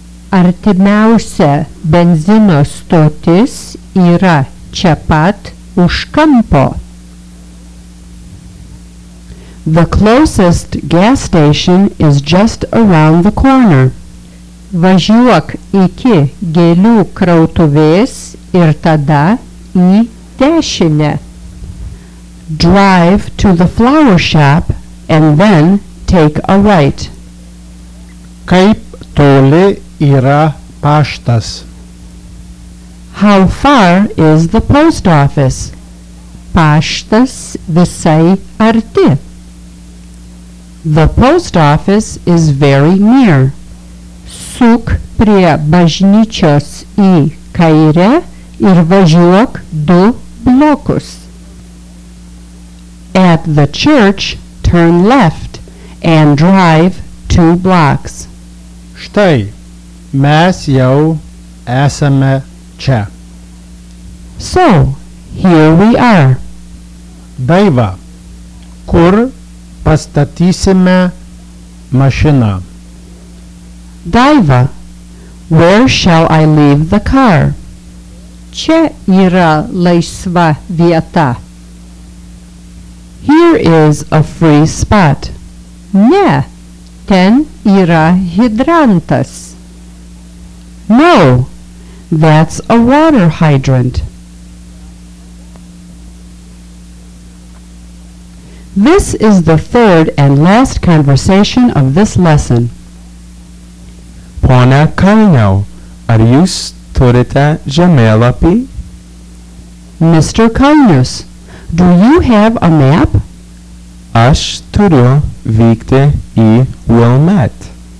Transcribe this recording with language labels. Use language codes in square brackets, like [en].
[lt] Artimiausia benzino stotis yra čia pat už kampo. [en] The closest gas station is just around the corner. [lt] Važiuok iki gėlių krautuvės ir tada į dešinę. [en] Drive to the flower shop and then take a right. [lt] Kaip toli yra paštas? [en] How far is the post office? [lt] Paštas visai arti. [en] The post office is very near. [lt] Suk prie bažnyčios į kairę ir važiuok du blokus. [en] At the church, turn left and drive two blocks. [lt] Štai, mes jau esame čia. [en] So, here we are. [lt] Daiva, kur pastatysime mašiną? [en] Daiva, where shall I leave the car? [lt] Čia yra laisva vieta. [en] Here is a free spot. [lt] Ne, ten yra hidrantas. [en] No, that's a water hydrant. This is the third and last conversation of this lesson. [lt] Pone Kalniau, ar jūs turite žemėlapį? [en] Mr. Kalnius, do you have a map? [lt] Aš turiu vykti į Wilmet.